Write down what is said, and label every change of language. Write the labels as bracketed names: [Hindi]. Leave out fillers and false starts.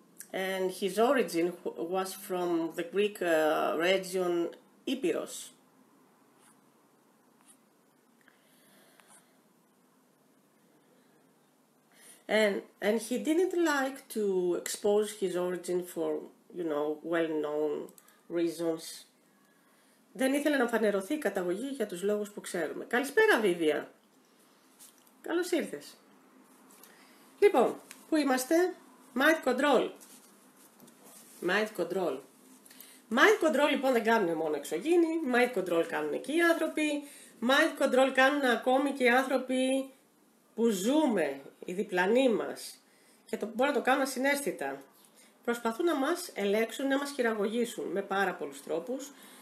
[English] And his origin was from the Greek region Epiros. And he didn't like to expose his origin for, you know, well-known reasons. [Greek] Δεν ήθελε να φανερωθεί η καταγωγή για τους λόγους που ξέρουμε. Καλησπέρα, Βίβια. Καλώς ήρθες. Λοιπόν, πού είμαστε? Mind Control. Mind Control. Mind control λοιπόν δεν κάνουν μόνο εξωγήινοι, mind control κάνουν και οι άνθρωποι, mind control κάνουν ακόμη και οι άνθρωποι που ζούμε, οι διπλανοί μας, και μπορεί να το κάνουν ασυναίσθητα. Προσπαθούν να μας ελέγξουν, να μας χειραγωγήσουν με πάρα πολλούς τρόπους.